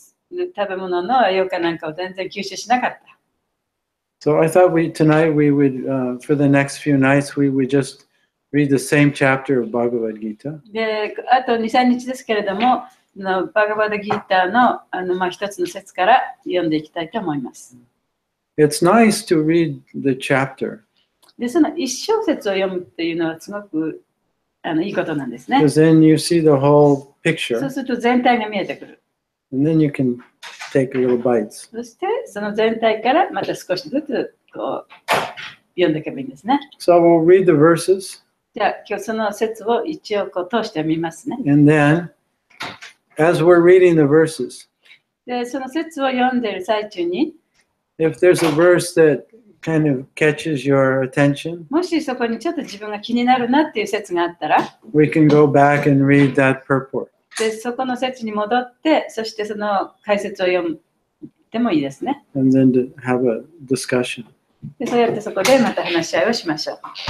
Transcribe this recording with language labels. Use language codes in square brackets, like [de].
[ja] 食べ物の栄養かなんかを全然吸収しなかった。 [en] So I thought we tonight we would for the next few nights we would just read the same chapter of Bhagavad Gita. [ja] で、あと 2-3 日ですけれども、のバガヴァッダギーターの一つの節から読んでいきたいと思います。 [en] It's nice to read the chapter. [ja] で、その一小節を読むっていうのはすごくいいことなんですね。 [en] Because then you see the whole picture. [ja] そうすると全体が見えてくる。 [en] And then you can take little bites. [ja] そしてその全体からまた少しずつこう読んでいけばいいんですね。 [en] So I will read the verses. [ja] じゃあ今日その節を一応こう通して見ますね。 [en] And then, as we're reading the verses, [ja] でその節を読んでいる最中に、 [en] if there's a verse that kind of catches your attention, [ja] もしそこにちょっと自分が気になるなっていう節があったら、 [en] we can go back and read that purport. [ja] でそこの節に戻って、そしてその解説を読んでもいいですね。 [en] And then to have a discussion. [ja] でそうやってそこでまた話し合いをしましょう。